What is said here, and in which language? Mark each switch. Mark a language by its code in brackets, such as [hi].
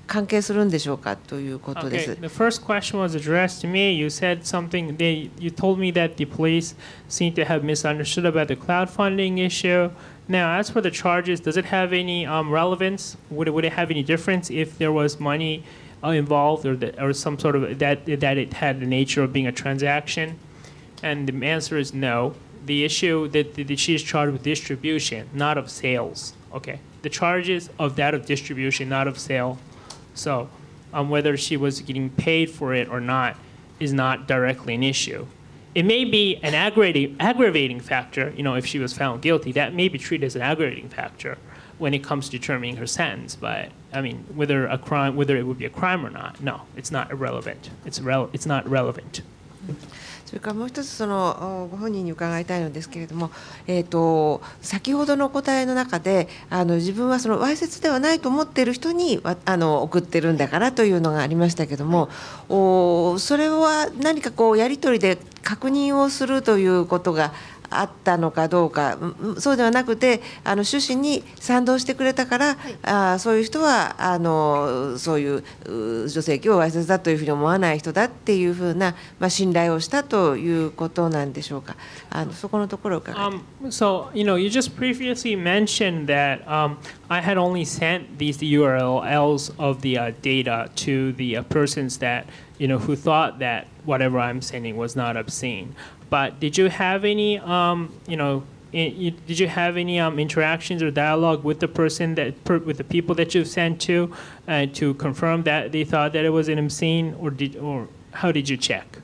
[ja] と一つは弁護士さんに、それは先ほどそのお金のやり取りのことを誤解してた話の続きなんですが、この罪名っていうのは、お金のやり取りがあるかどうかということで、その犯罪が成り立つか成り立たないかっていうのは関係するんでしょうかということです。 [en] The first question was addressed to me. You said something, you told me that the police seemed to have misunderstood about the crowdfunding issue. Now, as for the charges, does it have any relevance? Would it have any difference if there was money involved or some sort of that it had the nature of being a transaction? And the answer is no. The issue that she is charged with distribution, not of sales. Okay, the charges of that of distribution, not of sale. So, whether she was getting paid for it or not is not directly an issue. It may be an aggravating factor, you know, if she was found guilty, that may be treated as an aggravating factor when it comes to determining her sentence. But I mean, whether it would be a crime or not, no, it's not irrelevant. It's not relevant. [ja] それからもう一つそのご本人に伺いたいのですけれども、先ほどのお答えの中で、自分はそのわいせつではないと思っている人に送ってるんだからというのがありましたけれども、それは何かこうやり取りで確認をするということがあったのかどうか、そうではなくて、趣旨に賛同してくれたから、はい、そういう人はそういう助成金をわいせつだというふうに思わない人だっていうふうな、信頼をしたということなんでしょうか。そこのところを伺います。 [en] So, you know, you just previously mentioned that I had only sent these URLs of the data to the persons that, you know, who thought that whatever I'm sending was not obscene. But did you have any, interactions or dialogue with the person with the people that you've sent to confirm that they thought that it was an obscene, or how did you check?